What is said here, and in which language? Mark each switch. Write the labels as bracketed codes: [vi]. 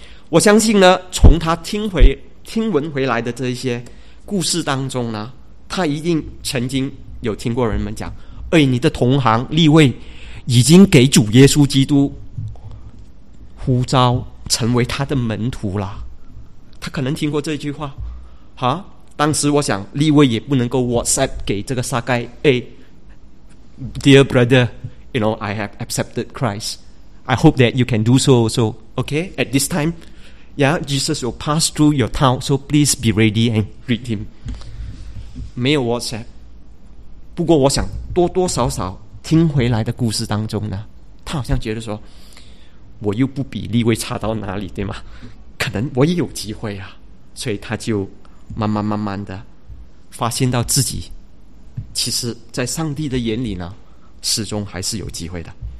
[zh] 我相信呢，从他听闻回来的这些故事当中呢，他一定曾经有听过人们讲，哎，你的同行利未已经给主耶稣基督呼召成为他的门徒了，他可能听过这句话啊。当时我想利未也不能够 WhatsApp 给这个撒该，哎 [en] Dear brother, you know, I have accepted Christ. I hope that you can do so also. Okay, at this time, yeah, Jesus will pass through your town, so please be ready and greet him. [zh] 没有 WhatsApp， 不过我想多多少少听回来的故事当中呢，他好像觉得说，我又不比利未差到哪里，对吗？可能我也有机会啊，所以他就慢慢慢慢的发现到自己，其实在上帝的眼里呢，始终还是有机会的。